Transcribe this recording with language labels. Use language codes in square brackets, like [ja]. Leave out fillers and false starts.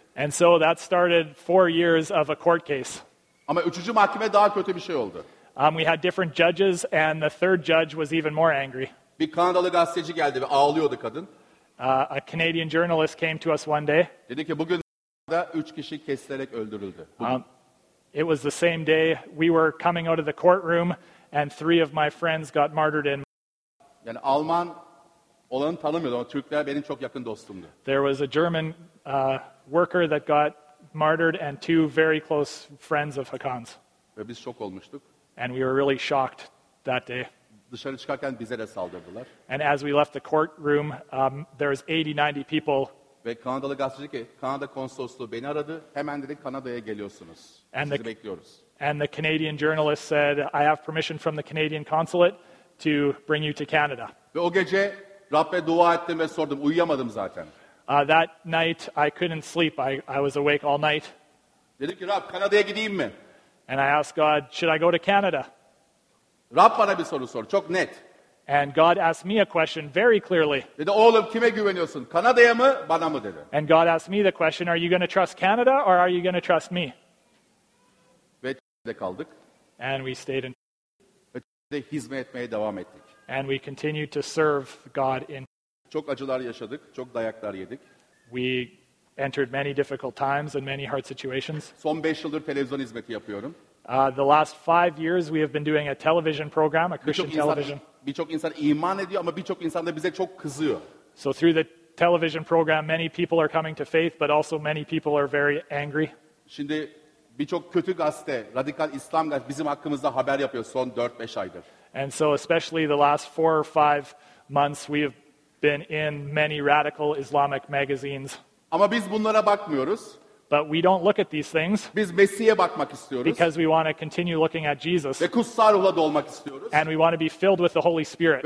[en] And so that started 4 years of a court case. [tr] Ama üçüncü mahkeme daha kötü bir şey oldu. [en] We had different judges, and the third judge was even more angry. [tr] Bir Kanadalı gazeteci geldi ve ağlıyordu kadın. [en] A Canadian journalist came to us one day. [tr] Dedi ki bugün de 3 kişi kesilerek öldürüldü. [en] It was the same day we were coming out of the courtroom, and 3 of my friends got martyred in. [tr] Yani Alman olanı tanımıyordu ama Türkler benim çok yakın dostumdu. [en] There was a German worker that got martyred and 2 very close friends of Hakan's. [tr] Ve biz şok olmuştuk. [en] And we were really shocked that day. [tr] Dışarı çıkarken bize de saldırdılar. [en] And as we left the courtroom, there was 80-90 people. [tr] Ve Kanadalı gazeteci ki, Kanada konsolosluğu beni aradı. Hemen dedi Kanada'ya geliyorsunuz. Sizi bekliyoruz. [en] And the Canadian journalist said, I have permission from the Canadian consulate to bring you to Canada. [tr] Ve o gece Rab'be dua ettim ve sordum. Uyuyamadım zaten. [en] That night, I couldn't sleep. I was awake all night. [tr] Dedim ki, Rab, Kanada'ya gideyim mi? [en] And I asked God, should I go to Canada? [tr] Rab bana bir soru sordu, çok net. [en] And God asked me a question very clearly. [tr] Dedi, oğlum kime güveniyorsun? Kanada'ya mı, bana mı dedi. [en] And God asked me the question, are you going to trust Canada or are you going to trust me? [tr] Ve de kaldık. [en] And we stayed in. [tr] Ve de hizmet etmeye devam ettik. [en] And we continued to serve God in. [tr] Çok acılar yaşadık, çok dayaklar yedik. [en] We entered many difficult times and many hard situations. [tr] Son 5 yıldır televizyon hizmeti yapıyorum. [en] The last 5 years we have been doing a television program, a Christian television. [tr] Birçok insan iman ediyor ama birçok insan da bize çok kızıyor. [en] So through the television program, many people are coming to faith, but also many people are very angry. [tr] Şimdi birçok kötü gazete, radikal İslam gazetesi bizim hakkımızda haber yapıyor son 4-5 aydır. [en] And so especially the last 4 or 5 months we have been in many radical Islamic magazines. [tr] Ama biz bunlara bakmıyoruz. [en] But we don't look at these things. [tr] Biz Mesih'e bakmak istiyoruz. [en] Because we want to continue looking at Jesus. [tr] Ve kutsal ruhla dolmak istiyoruz. [en] And we want to be filled with the Holy Spirit.